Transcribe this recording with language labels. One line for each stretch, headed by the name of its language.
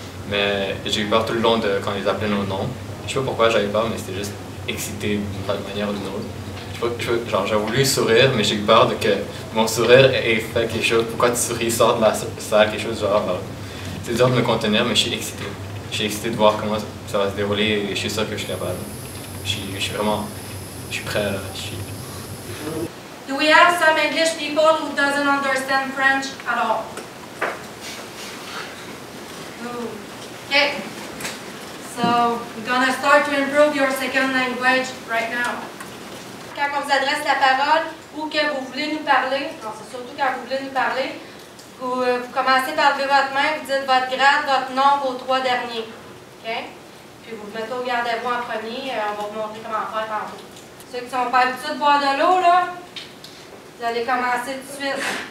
French: Mais j'ai eu peur tout le long de quand ils appelaient nos noms. Je sais pas pourquoi j'avais peur, mais c'était juste excité d'une manière ou d'une autre. J'ai voulu sourire, mais j'ai eu peur de que mon sourire ait fait quelque chose. Pourquoi tu souris, sort de la salle, quelque chose du genre. C'est dur de me contenir, mais je suis excité. Je suis excité de voir comment ça va se dérouler et je suis sûr que je suis capable. Je suis prêt.
English: Do we have some English people who doesn't understand French at all? Okay. So we're gonna start to improve your second language right now.
French: Quand on vous adresse la parole ou que vous voulez nous parler, c'est surtout quand vous voulez nous parler, vous commencez par lever votre main, vous dites votre grade, votre nom, vos trois derniers. Okay? Puis vous mettez au garde-vous en premier et on va vous montrer comment faire tantôt. Ceux qui sont pas habitués de boire de l'eau, là, vous allez commencer tout de suite.